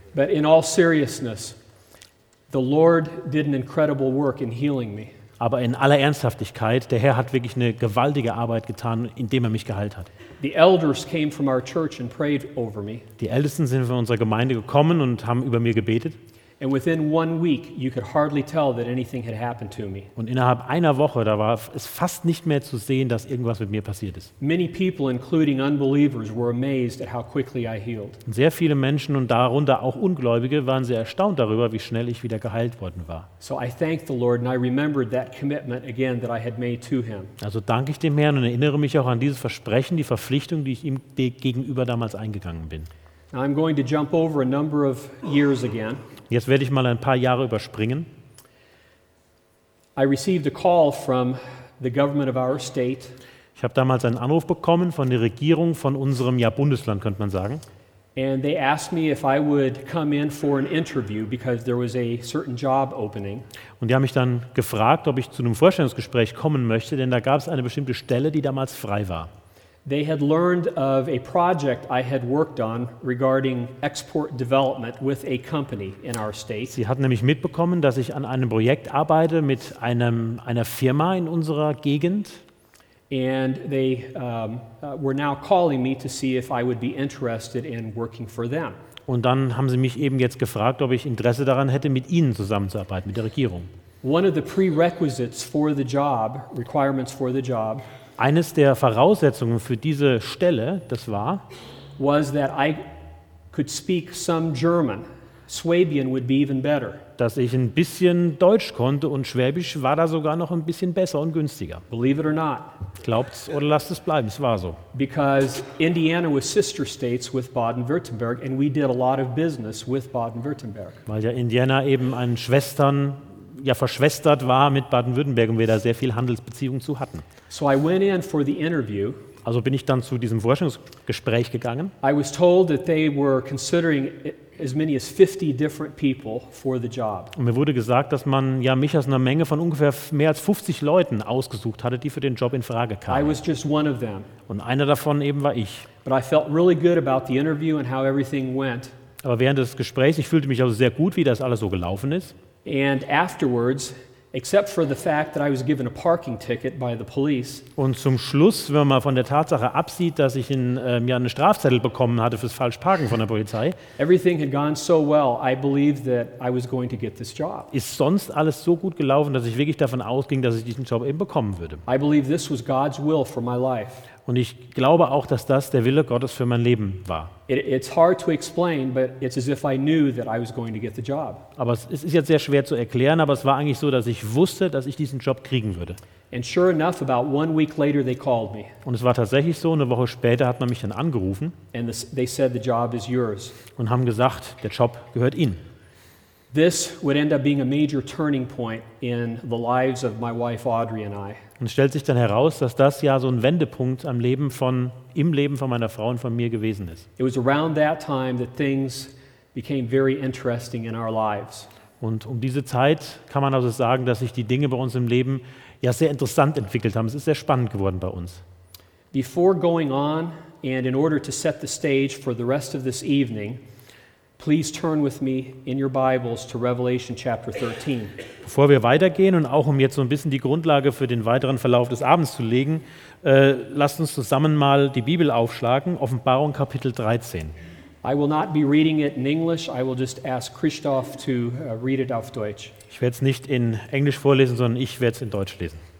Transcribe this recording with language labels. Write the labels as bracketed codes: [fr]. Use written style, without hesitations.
[en] But in all seriousness, the Lord did an incredible work in healing me. [de] Aber in aller Ernsthaftigkeit, der Herr hat wirklich eine gewaltige Arbeit getan, indem er mich geheilt hat. [en] The elders came from our church and prayed over me. [de] Die Ältesten sind von unserer Gemeinde gekommen und haben über mir gebetet. [en] And within 1 week, you could hardly tell that anything had happened to me. [de] Und innerhalb einer Woche, da war es fast nicht mehr zu sehen, dass irgendwas mit mir passiert ist. [en] Many people, including unbelievers, were amazed at how quickly I healed. [de] Sehr viele Menschen und darunter auch Ungläubige waren sehr erstaunt darüber, wie schnell ich wieder geheilt worden war. [en] So I thanked the Lord and I remembered that commitment again that I had made to him. [de] Also danke ich dem Herrn und erinnere mich auch an dieses Versprechen, die Verpflichtung, die ich ihm gegenüber damals eingegangen bin. [en] I'm going to jump over a number of years again. [de] Jetzt werde ich mal ein paar Jahre überspringen. [en] I received a call from the government of our state. [de] Ich habe damals einen Anruf bekommen von der Regierung von unserem ja Bundesland, könnte man sagen. [en] And they asked me if I would come in for an interview because there was a certain job opening. [de] Und die haben mich dann gefragt, ob ich zu einem Vorstellungsgespräch kommen möchte, denn da gab es eine bestimmte Stelle, die damals frei war. [en] They had learned of a project I had worked on regarding export development with a company in our state. [de] Sie hatten nämlich mitbekommen, dass ich an einem Projekt arbeite mit einer Firma in unserer Gegend. [en] And they were now calling me to see if I would be interested in working for them. [de] Und dann haben sie mich eben jetzt gefragt, ob ich Interesse daran hätte, mit ihnen zusammenzuarbeiten, mit der Regierung. [en] One of the prerequisites for the job, requirements for the job. [de] Eines der Voraussetzungen für diese Stelle, das war, [en] was that I could speak some German. Swabian would be even better. [de] Dass ich ein bisschen Deutsch konnte und Schwäbisch war da sogar noch ein bisschen besser und günstiger. [en] Believe it or not. [de] Glaubt's oder lasst es bleiben, es war so. [en] Because Indiana was sister states with Baden-Württemberg and we did a lot of business with Baden-Württemberg. [de] Weil ja Indiana eben ein Schwestern ja verschwestert war mit Baden-Württemberg und wir da sehr viel Handelsbeziehungen zu hatten. [en] So I went in for the interview. [de] Also bin ich dann zu diesem Vorstellungsgespräch gegangen. [en] I was told that they were considering as many as 50 different people for the job. [de] Und mir wurde gesagt, dass man ja mich aus einer Menge von ungefähr mehr als 50 Leuten ausgesucht hatte, die für den Job in Frage kamen. [en] I was just one of them. [de] Und einer davon eben war ich. [en] But I felt really good about the interview and how everything went. [de] Aber während des Gesprächs, ich fühlte mich also sehr gut, wie das alles so gelaufen ist. [en] And afterwards, except for the fact that I was given a parking ticket by the police. [de] Und zum Schluss, wenn man von der Tatsache absieht, dass ich einen Strafzettel bekommen hatte fürs Falschparken von der Polizei. [en] Everything had gone so well, I believed that I was going to get this job. [de] Ist sonst alles so gut gelaufen, dass ich wirklich davon ausging, dass ich diesen Job eben bekommen würde. [en] I believe this was God's will for my life. [de] Und ich glaube auch, dass das der Wille Gottes für mein Leben war. [en] It's hard to explain, but it's as if I knew that I was going to get the job. [de] Aber es ist jetzt sehr schwer zu erklären, aber es war eigentlich so, dass ich wusste, dass ich diesen Job kriegen würde. [en] And sure enough, about 1 week later they called me. [de] Und es war tatsächlich so, eine Woche später hat man mich dann angerufen. [en] And they said the job is yours. [de] Und haben gesagt, der Job gehört Ihnen. [en] This would end up being a major turning point in the lives of my wife Audrey and I. [de] Und es stellt sich dann heraus, dass das ja so ein Wendepunkt im Leben von meiner Frau und von mir gewesen ist. [en] It was around that time that things became very interesting in our lives. [de] Und um diese Zeit kann man also sagen, dass sich die Dinge bei uns im Leben ja sehr interessant entwickelt haben. Es ist sehr spannend geworden bei uns. [en] Before going on and in order to set the stage for the rest of this evening, please turn with me in your Bibles to Revelation chapter 13. [de] Bevor wir weitergehen und auch um jetzt so ein bisschen die Grundlage für den weiteren Verlauf des Abends zu legen, lasst uns zusammen mal die Bibel aufschlagen, Offenbarung Kapitel 13. [en] I will not be reading it in English, I will just ask Christoph to read it [de] auf Deutsch. Ich werde es nicht in Englisch vorlesen, sondern ich werde es in Deutsch lesen.